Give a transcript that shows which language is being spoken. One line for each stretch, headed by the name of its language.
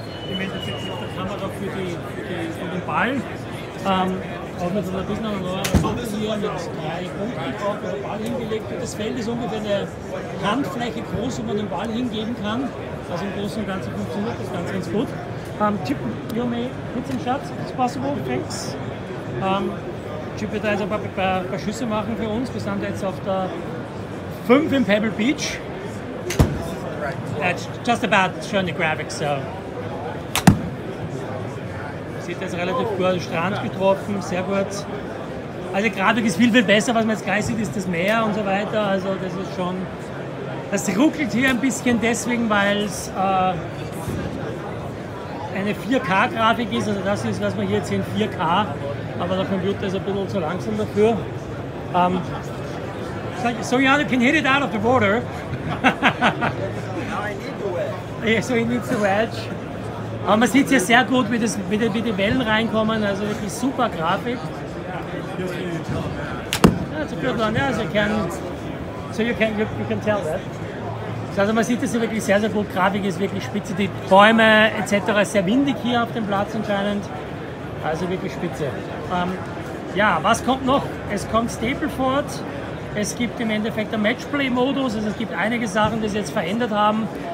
German: Im Endeffekt mit der Kamera für den Ball. Auch mit einer bisschen neueren Sonne hier mit drei Punkten drauf, wo der Ball hingelegt wird. Das Feld ist ungefähr eine Handfläche groß, wo man den Ball hingeben kann. Also im Großen und Ganzen funktioniert das ganz, ganz gut.
English: Chip, you may hit some shots, if it's possible, thanks.
German: Chip wird da jetzt ein paar Schüsse machen für uns. Wir sind jetzt auf der 5 in Pebble Beach.
English: That's just about showing the graphics, so.
German: Sieht jetzt relativ gut, Strand getroffen, sehr gut. Also die Grafik ist viel, viel besser, was man jetzt gleich sieht, ist das Meer und so weiter. Also das ist schon, das ruckelt hier ein bisschen deswegen, weil es eine 4K-Grafik ist. Also das ist, was man hier jetzt sehen, 4K, aber der Computer ist ein bisschen zu langsam dafür.
English: So you can hit it out of the water. Now I need to wedge. Yeah, so he needs to wedge.
German: Aber man sieht hier sehr gut, wie die Wellen reinkommen, also wirklich super Grafik.
English: Ja, it's a good one, yeah, so you can tell that.
German: Also man sieht, dass hier wirklich sehr, sehr gut Grafik ist, wirklich spitze, die Bäume etc. Sehr windig hier auf dem Platz anscheinend, also wirklich spitze. Ja, was kommt noch? Es kommt Stapleford, es gibt im Endeffekt einen Matchplay-Modus, also es gibt einige Sachen, die sie jetzt verändert haben.